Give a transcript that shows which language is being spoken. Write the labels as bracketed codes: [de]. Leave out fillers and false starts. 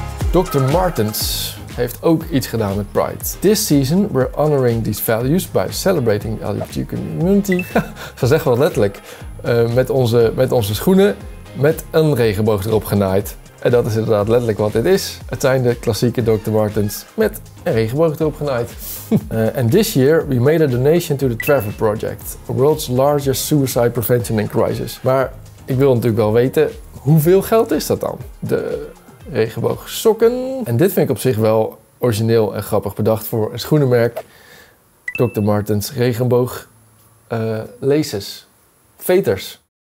[nl] Dr. Martens heeft ook iets gedaan met Pride. [en] This season we're honoring these values by celebrating the LGBT community. [nl] Ze zeggen wel letterlijk. Met onze schoenen met een regenboog erop genaaid. En dat is inderdaad letterlijk wat dit is. Het zijn de klassieke Dr. Martens met een regenboog erop genaaid. [en] And this year we made a donation to the Trevor Project. The world's largest suicide prevention and crisis. [nl] Maar ik wil natuurlijk wel weten, hoeveel geld is dat dan? De regenboog sokken. En dit vind ik op zich wel origineel en grappig bedacht voor een schoenenmerk. Dr. Martens regenboog laces. Veters.